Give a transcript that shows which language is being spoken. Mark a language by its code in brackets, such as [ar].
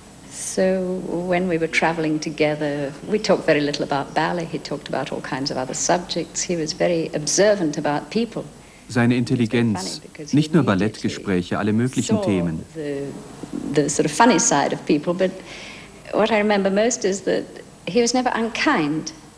[en] So when we were traveling together, we talked very little about ballet. He talked about all kinds of other subjects. He was very observant about people. [de] Seine Intelligenz, nicht nur Ballettgespräche, alle möglichen Themen. [en] The sort of funny side of people, but what I remember most is that he was never unkind.